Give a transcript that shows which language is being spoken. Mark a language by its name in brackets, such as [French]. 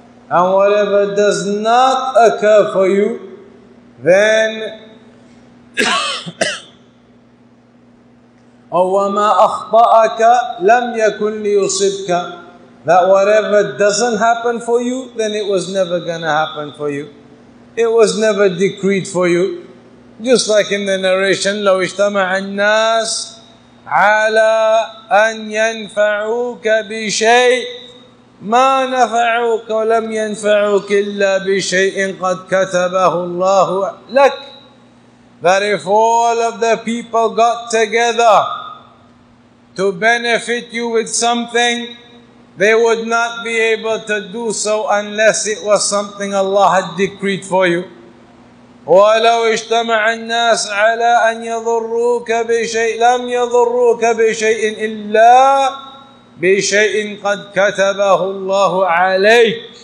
[English] And whatever does not occur for you, then [Arabic] وَمَا أَخْطَأَكَ لَمْ يَكُنْ لِيُصِبْكَ. [English] That whatever doesn't happen for you, then it was never gonna happen for you. It was never decreed for you. Just like in the narration, [Arabic] لَوْ اِجْتَمَعَ النَّاسِ عَلَىٰ أَن يَنْفَعُوكَ بِشَيْءٍ ما نفعوك ولم ينفعوك إلا بشيء قد كتبه الله لك. [English] That if all of the people got together to benefit you with something, they would not be able to do so unless it was something Allah had decreed for you. [Arabic] وَلَوْ اجْتَمَعَ النَّاسُ عَلَىٰ أَنْ يَضُرُّوكَ بِشَيْءٍ لَمْ يَضُرُّوكَ بِشَيْءٍ إِلَّا بِشَيْءٍ قَدْ كَتَبَهُ اللَّهُ عَلَيْكَ.